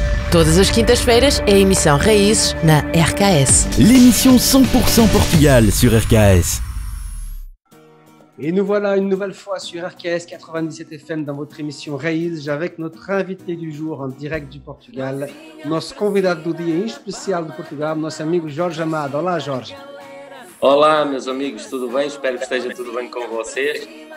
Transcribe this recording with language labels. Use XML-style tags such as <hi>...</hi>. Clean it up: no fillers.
<pt>Todas as quintas-feiras é a emissão Raízes na RKS.</pt> <fr>L'émission 100% Portugal sur RKS. Et nous voilà une nouvelle fois sur RKS 97 FM dans votre émission Raízes avec notre invité du jour en direct du Portugal,</fr> <pt>nosso convidado do dia em especial do Portugal, nosso amigo Jorge Amado. Olá, Jorge. Olá, meus amigos, tudo bem? Espero que esteja tudo bem com vocês.</pt>